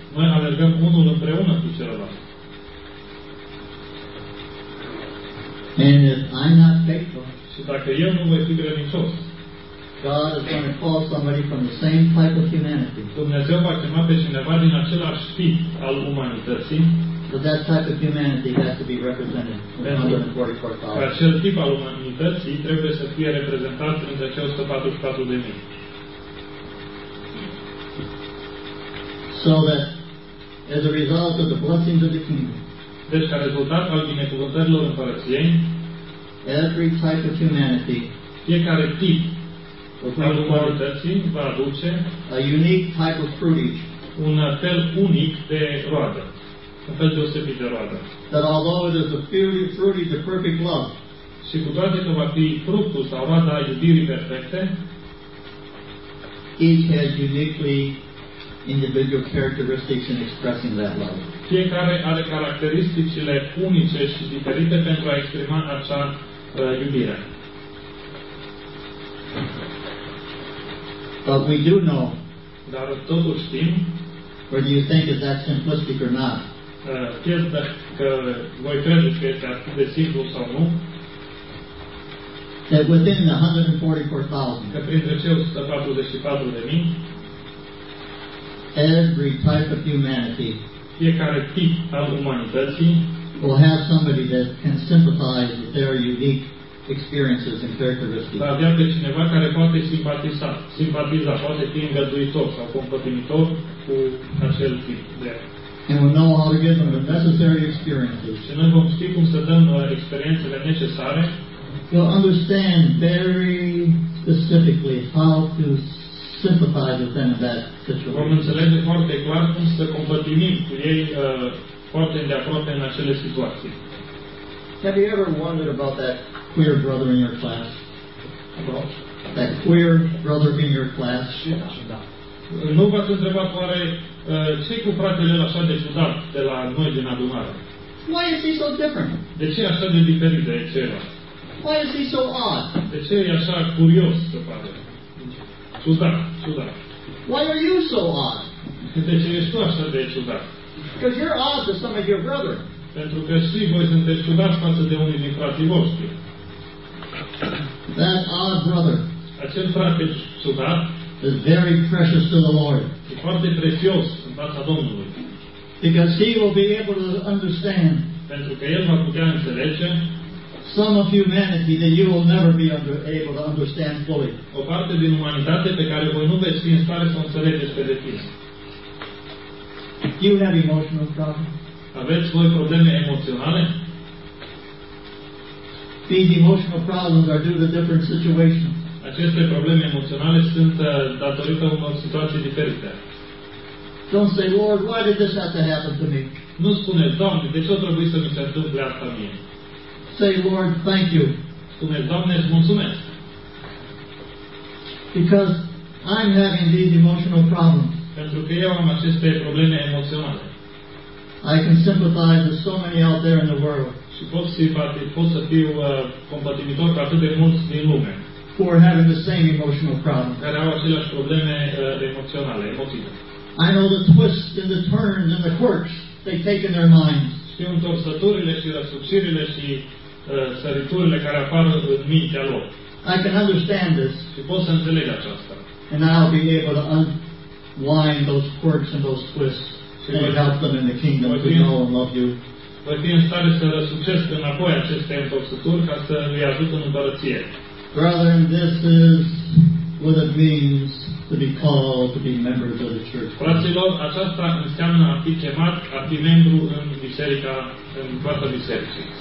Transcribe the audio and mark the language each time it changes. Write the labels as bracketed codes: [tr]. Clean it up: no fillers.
[ro] Noi alergăm unul împreună cu celălalt. [en] And if I'm not faithful, [ro] și dacă eu nu voi fi credincios, [en] God is going to call somebody from the same type of humanity. [ro] Dumnezeu va chema pe cineva din același tip al umanității. [en] But that type of humanity has to be represented in 144,000. [ro] Acel tip al umanității trebuie să fie reprezentat între cei 144,000. [en] so that as a result of the blessings of the kingdom, [ro] deci ca rezultat al binecuvântărilor împărăției, [en] every type of humanity, [ro] fiecare tip al umanității va aduce [en] a unique type of fruitage, [ro] un fel unic de roadă, un fel deosebit de roadă. [en] That although it is a fruitage of perfect love, [ro] și cu toate că va fi fructul sau roada iubirii perfecte, [en] each has uniquely individual characteristics in expressing that love. [ro] Fiecare are caracteristicile unice și diferite pentru a exprima acea iubire. [en] But we do know, [ro] dar totuși știm, [en] whether you think that that's simplistic or not, [ro] chiar dacă voi crede că este atât de simplu sau nu, [en] that within the 144,000, [ro] că printre cei 144,000, [en] every type of humanity, [ro] fiecare tip al umanității, [en] will have somebody that can sympathize with their unique experiences and characteristics. [ro] Va avea pe cineva care poate simpatiza, poate fi îngăduitor sau compătimitor cu acel tip de. [en] And we know how to give them the necessary experiences. [ro] Și noi vom ști cum să dăm experiențele necesare. [en] They'll understand very specifically how to sympathize with them in that situation. [ro] Vom înțelege foarte clar cum să compătimim cu ei foarte de aproape în acele situații. [en] Have you ever wondered about that queer brother in your class? About that queer brother in your class? [ro] Nu v-ați întrebat oare ce-i cu fratele așa de ciudat de la noi din adunare? [en] Why is he so different? [ro] De ce așa de diferit de ceilalți? [en] Why is he so odd? [ro] De ce e așa curios, se pare? Ciudat. [en] Why are you so odd? [ro] De ce ești tu așa de ciudat? [en] Because you're odd to some of your brother. [ro] Pentru că și voi sunteți ciudați față de unii din frații voștri. [en] That odd brother. [ro] Acel frate ciudat. [en] Is very precious to the Lord. [ro] E foarte prețios în fața Domnului. [en] Because he will be able to understand. [ro] Pentru că el va putea înțelege. [en] Some of humanity that you will never be able to understand fully. [ro] O parte din umanitate pe care voi nu veți fi în stare să o înțelegeți pe deplin. [en] You have emotional problems. [ro] Aveți voi probleme emoționale? [en] These emotional problems are due to different situations. [ro] Aceste probleme emoționale sunt datorită unor situații diferite. [en] Don't say, Lord, why did this have to happen to me? [ro] Nu spune, Doamne, de ce a trebuit să mi se întâmple asta mie? [en] Say, Lord, thank you. [ro] Spune, Doamne, îți mulțumesc. [en] Because I'm having these emotional problems. [ro] Pentru că eu am aceste probleme emoționale. [en] I can sympathize with so many out there in the world. [ro] Și pot să fiu compatimitor cu atât de mulți din lume. [en] Who are having the same emotional problems. [ro] Care au aceleași probleme emoționale, emotive. [en] I know the twists and the turns and the quirks they take in their minds. [ro] Știu întorsăturile și răsucirile și săriturile care apar în mintea lor. [en] I can understand this. [ro] Și pot să înțeleg aceasta. [en] And I'll be able to unwind those quirks and those twists and help them in the kingdom to know and love you. [ro] Voi fi în stare să răsucesc înapoi aceste întorsături ca să îi ajut în împărăție. [en] Brethren, this is what it means to be called to be members of the church. [ro] Fraților, aceasta înseamnă a fi chemat, a fi membru în biserica, în toată biserica.